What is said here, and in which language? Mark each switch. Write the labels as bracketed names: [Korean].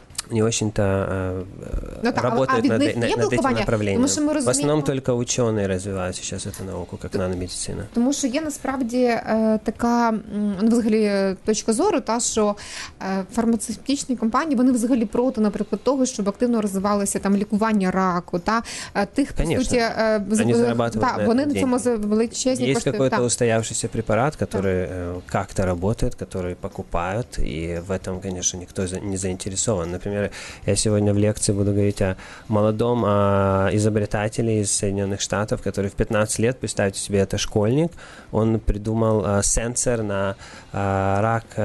[Russian] не очень-то работают над этим направлением. [Ukrainian] Тому, ми розуміємо... [Russian] В основном только ученые развивают сейчас эту науку, как наномедицина. [Ukrainian] Тому що є насправді така взагалі точка зору, та що фармацевтичні компанії, вони взагалі проти, наприклад, того, щоб активно розвивалося там лікування раку, та тих, [Russian] конечно, [Ukrainian] по суті, вони зарабатывают на вони на цьому величезні кошти. [Russian] Є какой-то устоявшийся препарат, который как-то работает, который покупают, и в этом, конечно, никто не заинтересован. Например, я сегодня в лекции буду говорить о молодом изобретателе из Соединенных Штатов, который в 15 лет, представьте себе, это школьник, он придумал сенсор на рак...